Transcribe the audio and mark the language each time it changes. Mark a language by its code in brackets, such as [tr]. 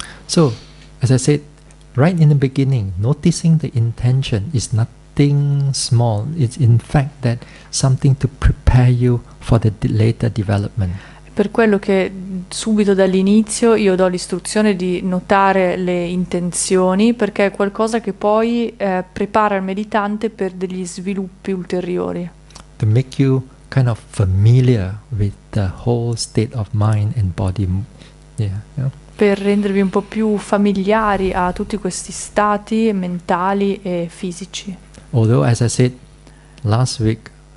[en] So, as I said, right in the beginning, noticing the intention is nothing small. It's in fact that something to prepare you for the later development. [it] Per quello che subito dall'inizio io do l'istruzione di notare le intenzioni, perché è qualcosa che poi prepara il meditante per degli sviluppi ulteriori. [en] To make you kind of familiar with the whole state of mind and body. [it] Per rendervi un po' più familiari a tutti questi stati mentali e fisici. [en] Although, as I said, last week,